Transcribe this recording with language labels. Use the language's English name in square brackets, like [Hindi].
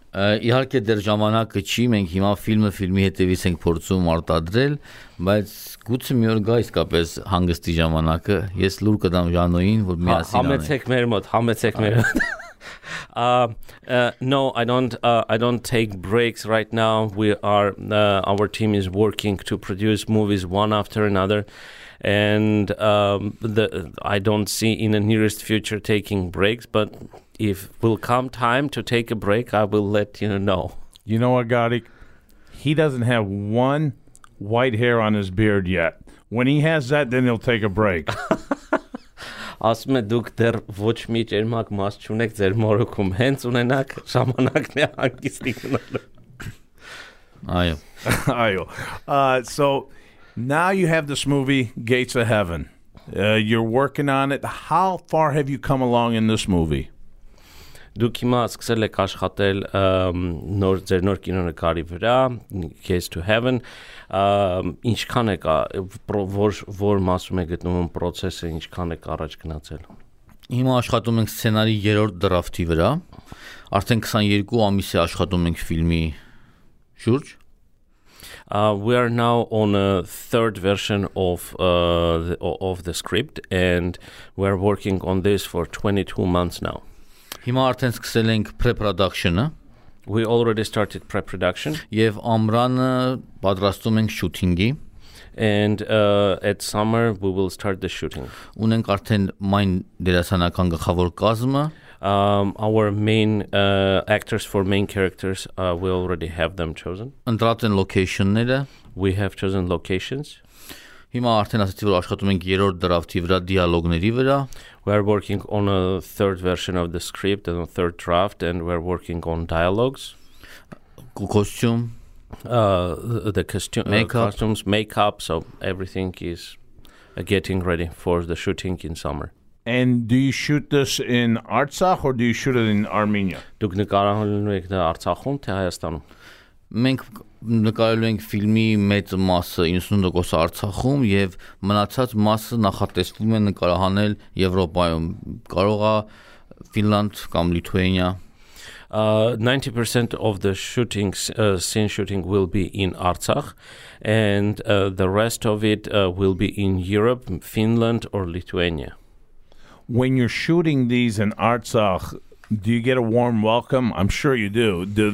[Armenian] Իհարկե դեռ ժամանակը չի, մենք հիմա ֆիլմը ֆիլմի հետևից ենք փորձում արտադրել, բայց գուցե մի օր գա իսկապես հանգստի ժամանակը, ես լուր կդամ Ժանոյին, որ միասին անենք։ Համեցեք մեր մոտ։ [English] No, I don't take breaks right now. Our team is working to produce movies one after another, and I don't see in the nearest future taking breaks, but if will come time to take a break, I will let you know. You know what, Garik? He doesn't have one white hair on his beard yet. When he has that, then he'll take a break. [Armenian] Ասում է, դուք դեռ ոչ մի ճերմակ մաս չունեք ձեր մորուքում, հենց ունենաք ժամանակն է հանգիստի գնալու։ Այո։ [English] So now you have this movie, Gates of Heaven. You're working on it. How far have you come along in this movie? [Armenian] Դուք հիմա սկսել եք աշխատել նոր ձեր նոր կինոնկարի վրա, Gates to Heaven. Ինչքան է կա, որ մասում է գտնվում պրոցեսը, ինչքան է առաջ գնացել? Հիմա աշխատում ենք սցենարի երրորդ դրաֆտի վրա. Արդեն 22 ամիս է աշխատում ենք ֆիլմի շուրջ. [English] We are now on a third version of the script, and we're working on this for 22 months now. [Armenian] Հիմա արդեն սկսել ենք pre-production-ը. [English] We already started pre-production. [Armenian] Եվ ամռանը պատրաստում ենք shooting-ի. [English] And at summer we will start the shooting. [Armenian] Ունենք արդեն main դերասանական գլխավոր կազմը. [English] Our main actors for main characters, we already have them chosen. [Armenian] Ընտրած են location-ները. [English] We have chosen locations. [Armenian] Հիմա արդեն ասացի, որ աշխատում ենք երրորդ դրաֆտի վրա, դիալոգների վրա. [English] We are working on a third version of the script and a third draft, and we're working on dialogues. Costume. The costume, makeup. Costumes, makeup, so everything is getting ready for the shooting in summer. And do you shoot this in Artsakh or do you shoot it in Armenia? [Armenian] Դուք նկարահանելու եք Արցախում թե Հայաստանում? Մենք նկարելու ենք ֆիլմի մեծ մասը 90% Արցախում եւ մնացած մասը նախատեսվում է նկարահանել Եվրոպայում։ Կարող է Ֆինլանդ կամ Լիթուանիա։ [English] 90% of the shooting scene shooting will be in Artsakh and the rest of it will be in Europe, Finland or Lithuania. When you're shooting these in Artsakh, do you get a warm welcome? I'm sure you do.